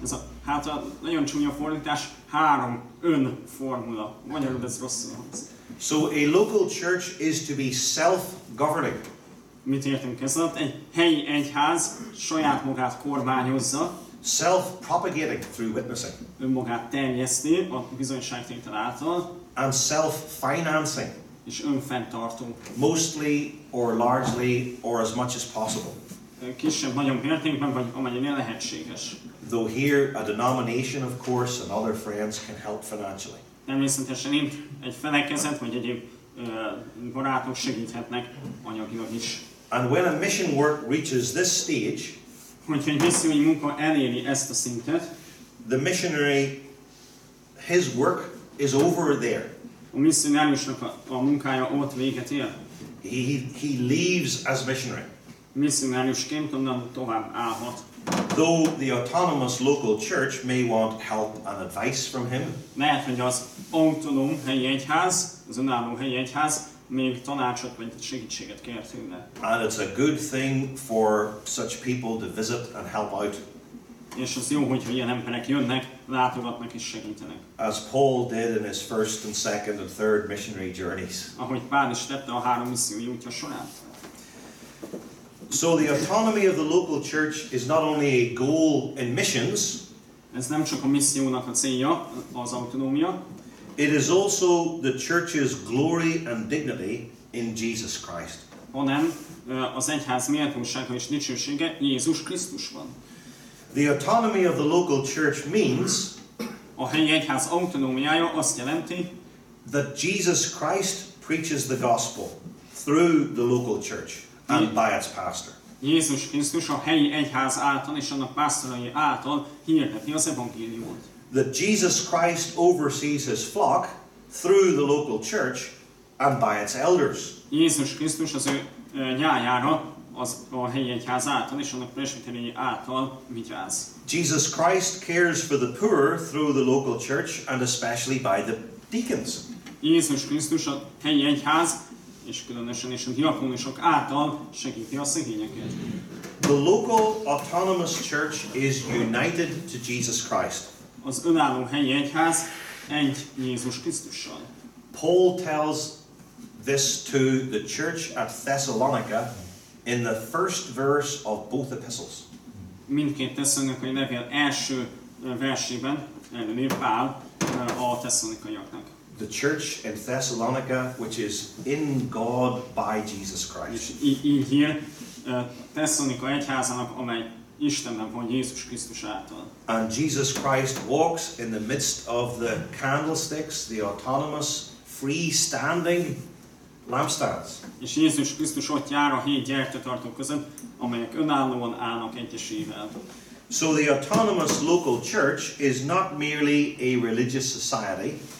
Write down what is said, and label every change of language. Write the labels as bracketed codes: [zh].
[hu] Ez a, hát a nagyon csúnya fordítás, három ön formula. Magyarul ez rosszul hangzik. [en] So a local church is to be self-governing. [hu] Mit értünk ez alatt? Egy helyi egyház saját magát kormányozza. [en] Self-propagating through witnessing. [hu] Önmagát terjeszti a bizonyságtétel által. [en] And self-financing. [hu] És önfenntartó. [en] Mostly or largely or as much as possible. [hu] Kisebb, nagyobb értékben, vagy amennyire lehetséges. [en] Though here a denomination, of course, and other friends can help financially. [hu] Természetesen itt egy felekezet, vagy egyéb barátok segíthetnek anyagilag is. [en] And when a mission work reaches this stage, [hu] hogyha egy missziói munka eléri ezt a szintet, [en] the missionary, his work is over there. [hu] A misszionáriusnak a munkája ott véget ér. [en] He leaves as missionary. [hu] Misszionáriusként onnan tovább állhat. [en] Though the autonomous local church may want help and advice from him. [hu] Lehet, hogy az autonóm helyi egyház, az önálló helyi egyház még tanácsot vagy segítséget kér tőle. [en] And it's a good thing for such people to visit and help out. [hu] És az jó, hogyha ilyen emberek jönnek, látogatnak és segítenek. [en] As Paul did in his first and second and third missionary journeys. [hu] Ahogy Pál is tette a három missziói útja során. [en] So the autonomy of the local church is not only a goal in missions. [hu] Ez nem csak a missziónak a célja, az autonómia. [en] It is also the church's glory and dignity in Jesus Christ. [hu] Hanem az egyház méltósága és dicsősége Jézus Krisztusban. [en] The autonomy of the local church means [hu] a helyi egyház autonómiája azt jelenti, [en] that Jesus Christ preaches the gospel through the local church and by its pastor. [hu] Jézus Krisztus a helyi egyház által és annak pásztorai által hirdeti az evangéliumot. [en] That Jesus Christ oversees his flock through the local church and by its elders. [hu] Jézus Krisztus az ő nyájára az a helyi egyház által és annak presbiterei által vigyáz. [en] Jesus Christ cares for the poor through the local church and especially by the deacons. [hu] Jézus Krisztus a helyi egyház és különösen is a diakonusok által segíti a szegényeket. [en] The local autonomous church is united to Jesus Christ. [hu] Az önálló helyi egyház egy Jézus Krisztussal. [en] Paul tells this to the church at Thessalonica in the first verse of both epistles. [hu] Mindkét Thessalonikai levél első versében előír Pál a Thessalonikaiaknak. [en] The church in Thessalonica, which is in God by Jesus Christ. [hu] Így hír Thessalonika egyházának, amely Istenben van Jézus Krisztus által. [en] And Jesus Christ walks in the midst of the candlesticks, the autonomous, free-standing lampstands. [hu] És Jézus Krisztus ott jár a hét gyertyatartó között, amelyek önállóan állnak egyesével. [en] So the autonomous local church is not merely a religious society.